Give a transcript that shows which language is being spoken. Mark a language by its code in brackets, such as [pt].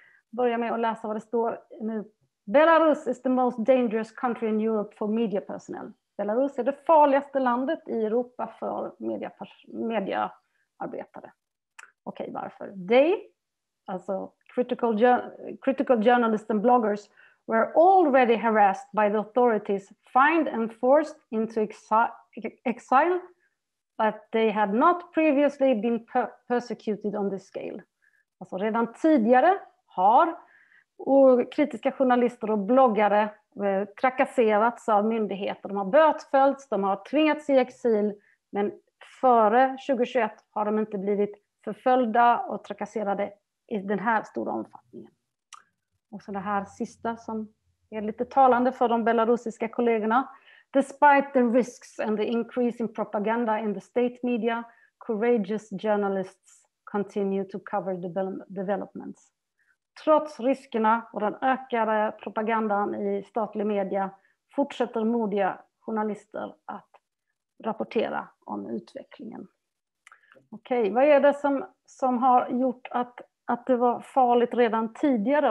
[sv] Börja med att läsa vad det står nu. [en] Belarus is the most dangerous country in Europe for media personnel. [sv] Belarus är det farligaste landet i Europa för mediearbetare. Okej, varför? [en] They, alltså critical journalists and bloggers, were already harassed by the authorities, fined and forced into exile, but they had not previously been persecuted on this scale. [sv] Alltså redan tidigare har kritiska journalister och bloggare trakasserats av myndigheter. De har bötföljts, de har tvingats i exil, men före 2021 har de inte blivit förföljda och trakasserade i den här stora omfattningen. Och så det här sista som är lite talande för de belarusiska kollegorna. [en] Despite the risks and the increase in propaganda in the state media, courageous journalists continue to cover the developments. [sv] Trots riskerna och den ökade propagandan i statlig media fortsätter modiga journalister att rapportera om utvecklingen. Okej, vad är det som har gjort att det var farligt redan tidigare?